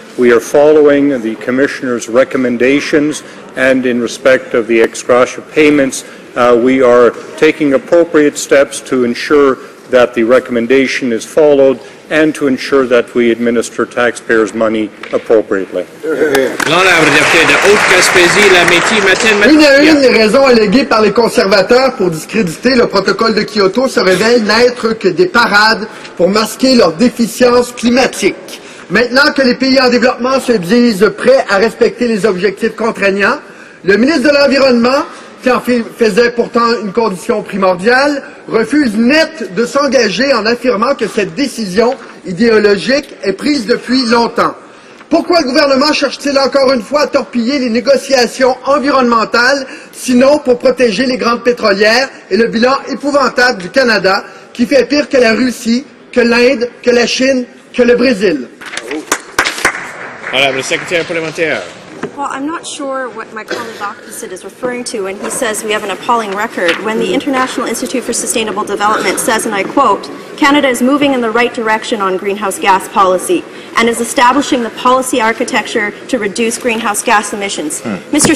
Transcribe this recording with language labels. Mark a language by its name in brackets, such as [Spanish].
[English] We are following the Commissioner's recommendations, and in respect of the ex gratia payments, we are taking appropriate steps to ensure that the recommendation is followed and to ensure that we administer taxpayers' money appropriately. [French] L'honorable député de Haute-Gaspésie-la-Métis-Matin-Matin. Une et une des raisons alléguées par les conservateurs pour discréditer le protocole de Kyoto se révèle n'être que des parades pour masquer leurs déficiences climatiques. Maintenant que les pays en développement se disent prêts à respecter les objectifs contraignants, le ministre de l'Environnement, qui en faisait pourtant une condition primordiale, refuse net de s'engager en affirmant que cette décision idéologique est prise depuis longtemps. Pourquoi le gouvernement cherche-t-il encore une fois à torpiller les négociations environnementales, sinon pour protéger les grandes pétrolières et le bilan épouvantable du Canada, qui fait pire que la Russie, que l'Inde, que la Chine, que le Brésil? [English] All right, but Secretary Parliamentaire. Well, I'm not sure what my colleague opposite is referring to when he says we have an appalling record, when the International Institute for Sustainable Development says, and I quote, Canada is moving in the right direction on greenhouse gas policy and is establishing the policy architecture to reduce greenhouse gas emissions. Mr.